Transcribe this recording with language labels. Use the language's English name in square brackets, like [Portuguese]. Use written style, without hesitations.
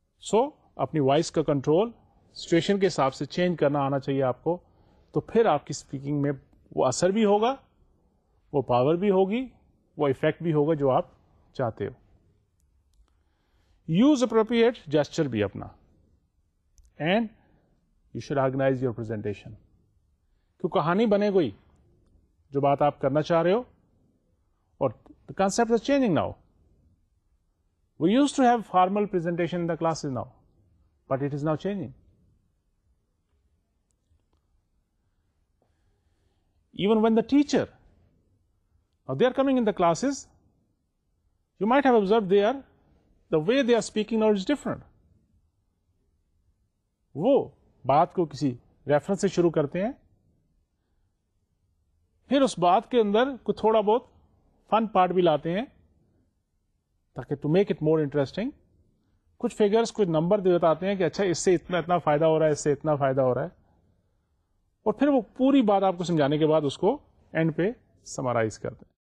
[Urdu] سو اپنی وائس کا control situation کے حساب سے چینج کرنا آنا چاہیے آپ کو, تو پھر آپ کی اسپیکنگ میں وہ اثر بھی ہوگا, وہ پاور بھی ہوگی, وہ افیکٹ بھی ہوگا جو آپ چاہتے ہو. [English] Use appropriate gesture بھی اپنا, and you should organize your presentation. [Urdu] کیوں کہانی بنے گئی جو بات آپ کرنا چاہ رہے ہو, اور [English] the concept is changing now. We used to have formal presentation in the classes now, but it is now changing. Even when the teacher, now they are coming in the classes, you might have observed there, the way they are speaking now is different. [Urdu] وہ بات کو کسی reference سے شروع کرتے ہیں, پھر اس بات کے اندر کوئی تھوڑا بہت فن پارٹ بھی لاتے ہیں تاکہ [English] to make it more interesting, [Urdu] کچھ فگرز, کچھ نمبر دے بتاتے ہیں کہ اچھا اس سے اتنا اتنا فائدہ ہو رہا ہے, اس سے اتنا فائدہ ہو رہا ہے, اور پھر وہ پوری بات آپ کو سمجھانے کے بعد اس کو اینڈ پہ سمرائز کرتے ہیں.